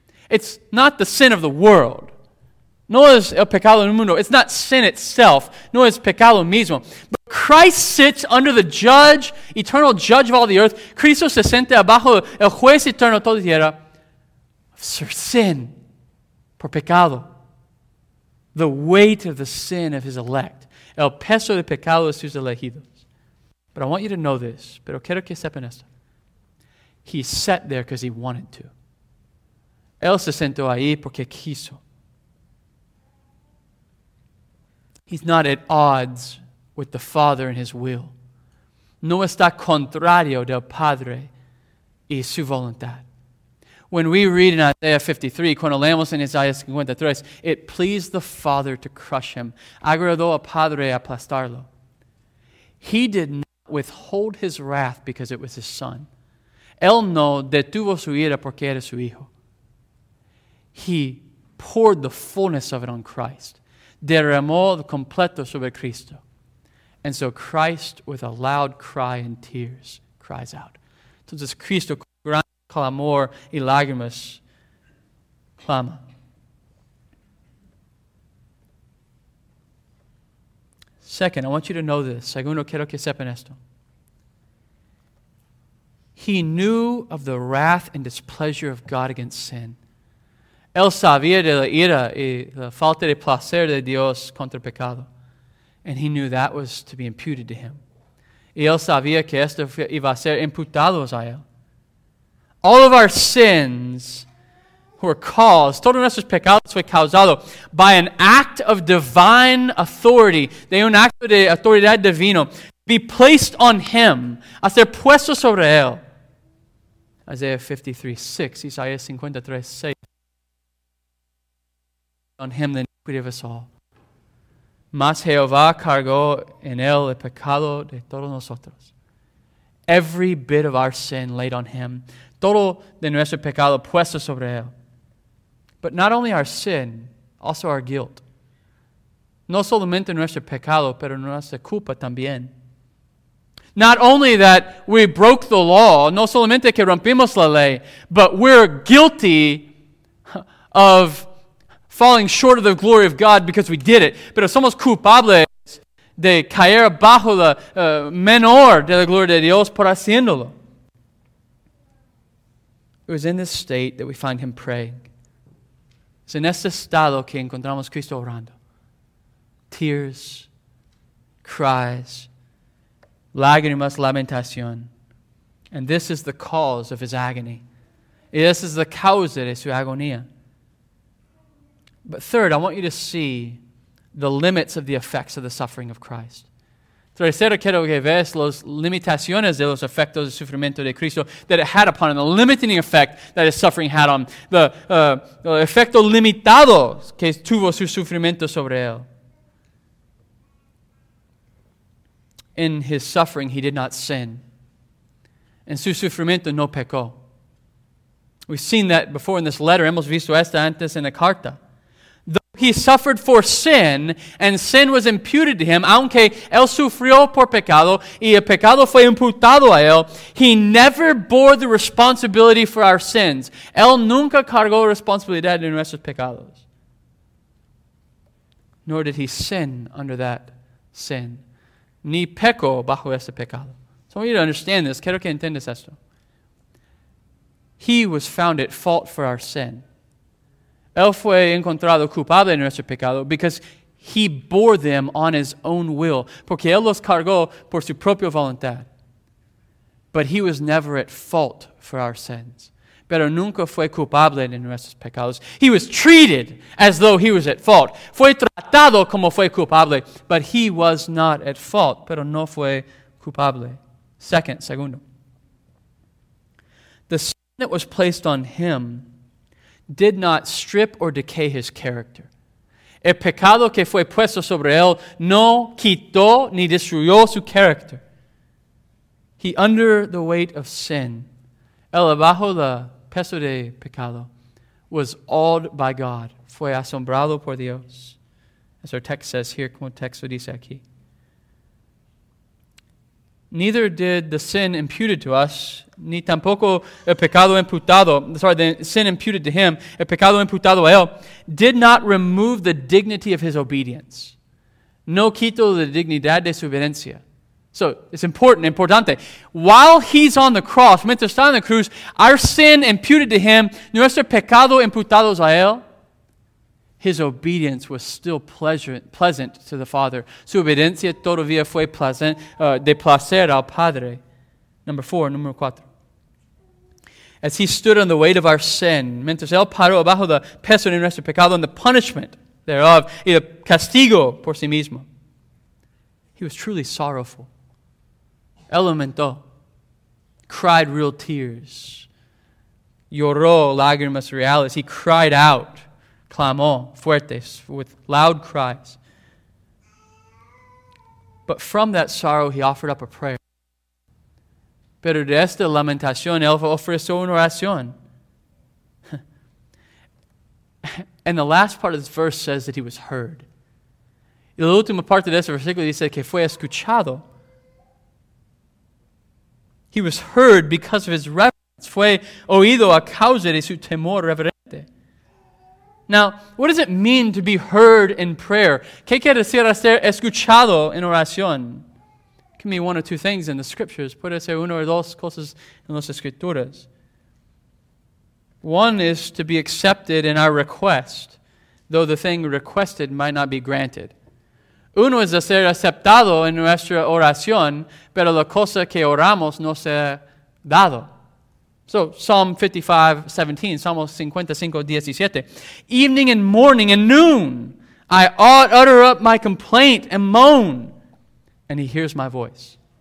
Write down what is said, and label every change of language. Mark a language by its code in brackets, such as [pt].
[en] It's not the sin of the world, [es] no es el pecado del mundo, [en] it's not sin itself, [es] no es pecado mismo, [en] but Christ sits under the judge, eternal judge of all the earth. [es] Cristo se siente abajo el juez eterno de toda tierra. Por sin, por pecado. [en] The weight of the sin of his elect. [es] El peso de pecado de sus elegidos. [en] But I want you to know this. [es] Pero quiero que sepan esto. [en] He sat there because he wanted to. [es] Él se sentó ahí porque quiso. [en] He's not at odds with the Father and his will. [es] No está contrario del Padre y su voluntad. [en] When we read in Isaiah 53, [es] cuando leemos en Isaiah 53, [en] it pleased the Father to crush him. [es] Agradó al Padre aplastarlo. [en] He did not withhold his wrath because it was his son. [es] Él no detuvo su ira porque era su hijo. [en] He poured the fullness of it on Christ. [es] Derramó completo sobre Cristo. [en] And so Christ, with a loud cry and tears, cries out. [es] Entonces Cristo con gran clamor y lágrimas clama. [en] Second, I want you to know this. [es] Segundo, quiero que sepan esto. [en] He knew of the wrath and displeasure of God against sin. [es] Él sabía de la ira y la falta de placer de Dios contra el pecado. [en] And he knew that was to be imputed to him. [es] Y él sabía que esto iba a ser imputado a él. [en] All of our sins were caused, [es] todos nuestros pecados fue causado [en] by an act of divine authority, [es] de un acto de autoridad divino, [en] be placed on him, [es] a ser puesto sobre él. [en] Isaiah 53:6, Isaiah 53:6, on him the iniquity of us all. [es] Mas Jehová cargó en él el pecado de todos nosotros. [en] Every bit of our sin laid on him. [es] Todo de nuestro pecado puesto sobre él. [en] But not only our sin, also our guilt. [es] No solamente nuestro pecado, pero nuestra culpa también. [en] Not only that we broke the law, [es] no solamente que rompimos la ley, [en] but we're guilty of falling short of the glory of God because we did it. [es] Pero somos culpables de caer bajo la menor de la gloria de Dios por haciéndolo. [en] It was in this state that we find him praying. [es] Es en este estado que encontramos Cristo orando. [en] Tears, cries, [es] lágrimas, lamentación. [en] And this is the cause of his agony. [es] Y [en] this is the [es] causa de su agonía. [en] But third, I want you to see the limits of the effects of the suffering of Christ. [es] Tercero, quiero que veas las limitaciones de los efectos del sufrimiento de Cristo [en] that it had upon him, the [es] limiting effect that his suffering had on him, the efecto limitado que tuvo su sufrimiento sobre él. [en] In his suffering, he did not sin. [es] En su sufrimiento, no pecó. [en] We've seen that before in this letter. [es] Hemos visto esta antes en la carta. [en] He suffered for sin, and sin was imputed to him, [es] aunque él sufrió por pecado, y el pecado fue imputado a él, [en] he never bore the responsibility for our sins. [es] Él nunca cargó responsabilidad de nuestros pecados. [en] Nor did he sin under that sin. [es] Ni pecó bajo ese pecado. [en] So I want you to understand this. [es] Quiero que entiendas esto. [en] He was found at fault for our sin. [es] Él fue encontrado culpable de nuestro pecado [en] because he bore them on his own will, [es] porque él los cargó por su propia voluntad. [en] But he was never at fault for our sins. [es] Pero nunca fue culpable de nuestros pecados. [en] He was treated as though he was at fault. [es] Fue tratado como fue culpable, [en] but he was not at fault, [es] pero no fue culpable. Segundo. [en] The sin that was placed on him did not strip or decay his character. [es] El pecado que fue puesto sobre él no quitó ni destruyó su character. [en] He, under the weight of sin, [es] el bajo el peso de pecado, [en] was awed by God. [es] Fue asombrado por Dios. [en] As our text says here, [es] como texto dice aquí. [en] Neither did the sin imputed to us, [es] ni tampoco el pecado imputado, [en] sorry, the sin imputed to him, [es] el pecado imputado a él, [en] did not remove the dignity of his obedience. [es] No quito la dignidad de su obediencia. [en] So, it's important, [es] importante. [en] While he's on the cross, [es] mientras está en la cruz, [en] our sin imputed to him, [es] nuestro pecado imputado a él, [en] his obedience was still pleasant to the Father. [es] Su obediencia todavía fue pleasant, de placer al Padre. Número cuatro. [en] As he stood on the weight of our sin, [es] mientras él paró bajo la peso de nuestro pecado [en] and the punishment thereof, [es] y el castigo por sí mismo, [en] he was truly sorrowful. [es] Él lamentó, [en] cried real tears, [es] lloró lágrimas reales, [en] he cried out, [es] clamó fuertes, [en] with loud cries. But from that sorrow, he offered up a prayer. [es] Pero de esta lamentación, él ofreció una oración. [en] And the last part of this verse says that he was heard. [es] Y la última parte de este versículo dice que fue escuchado. [en] He was heard because of his reverence. [es] Fue oído a causa de su temor reverente. [en] Now, what does it mean to be heard in prayer? [es] ¿Qué quiere decir ser escuchado en oración? [en] It can be one or two things in the scriptures. [es] Puede ser una o dos cosas en las escrituras. [en] One is to be accepted in our request, though the thing requested might not be granted. [es] Uno es ser aceptado en nuestra oración, pero la cosa que oramos no se ha dado. [en] So, Psalm 55:17. Evening and morning and noon, I utter up my complaint and moan, and he hears my voice.